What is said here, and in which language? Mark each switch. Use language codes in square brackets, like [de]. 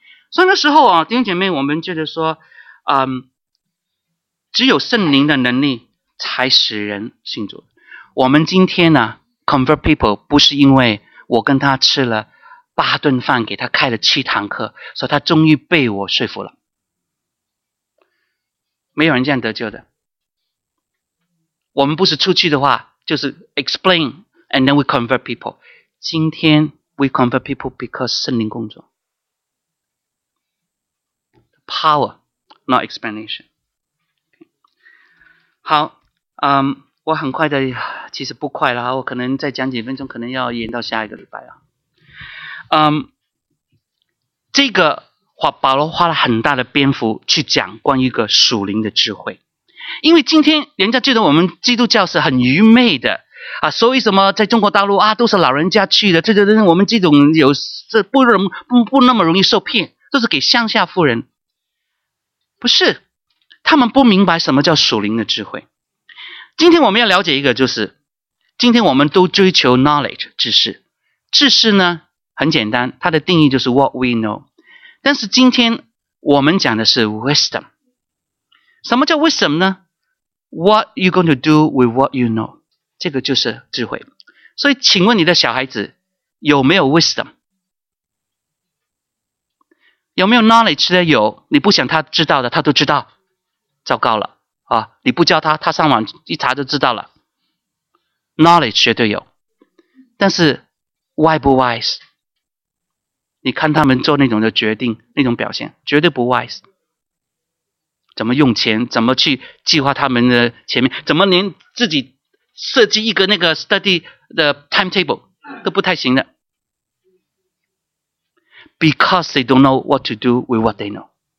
[zh] 所以那时候啊，弟兄姐妹，我们觉得说，只有圣灵的能力才使人信主。我们今天呢 ， [en] convert people [zh] 不是因为我跟他吃了八顿饭，给他开了七堂课，所以他终于被我说服了。没有人这样得救的。我们不是出去的话，就是 [en] explain and then we convert people。 [zh] 今天 [en] we convert people because [zh] 圣灵工作。 [en] Power, not explanation. [zh] 好，我很快的，其实不快了，我可能再讲几分钟，可能要延到下一个礼拜啊。这个保罗花了很大的篇幅去讲关于一个属灵的智慧，因为今天人家觉得我们基督教是很愚昧的。啊，所以什么在中国大陆啊，都是老人家去的，这我们这种有这不那么容易受骗，都是给乡下富人。不是，他们不明白什么叫属灵的智慧。今天我们要了解一个，就是今天我们都追求 knowledge 知识，知识呢很简单，它的定义就是 [en] what we know。 [zh] 但是今天我们讲的是 wisdom。什么叫 [en] wisdom 呢 ？What you going to do with what you know？ [zh] 这个就是智慧。所以，请问你的小孩子有没有 wisdom？有没有 knowledge 的有你不想他知道的他都知道糟糕了啊！你不教他他上网一查就知道了 knowledge 绝对有但是 wise 不 wise 你看他们做那种的决定那种表现绝对不 wise 怎么用钱怎么去计划他们的前面怎么连自己设计一个那个 study 的 timetable 都不太行的 [en] Because they don't know what to do with what they know.